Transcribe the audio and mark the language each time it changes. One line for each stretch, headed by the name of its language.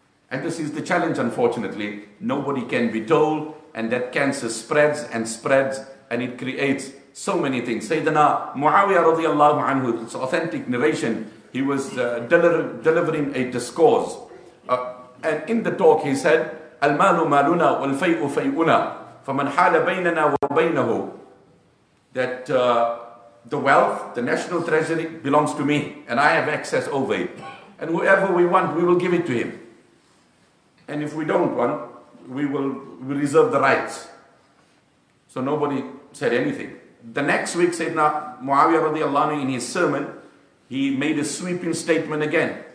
English: And this is the challenge, unfortunately. Nobody can be told. And that cancer spreads and spreads. And it creates so many things. Sayyidina Muawiyah radiallahu anhu, it's authentic narration. He was delivering a discourse. And in the talk he said,
Arabic: المال مالنا والفيء فيءنا فمن حال بيننا وبينه.
English: That the wealth, the national treasury belongs to me and I have access over it. And whoever we want, we will give it to him. And if we don't want, we will reserve the rights. So nobody said anything. The next week, Sayyidina Muawiyah radiallahu anhu, in his sermon, he made a sweeping statement again.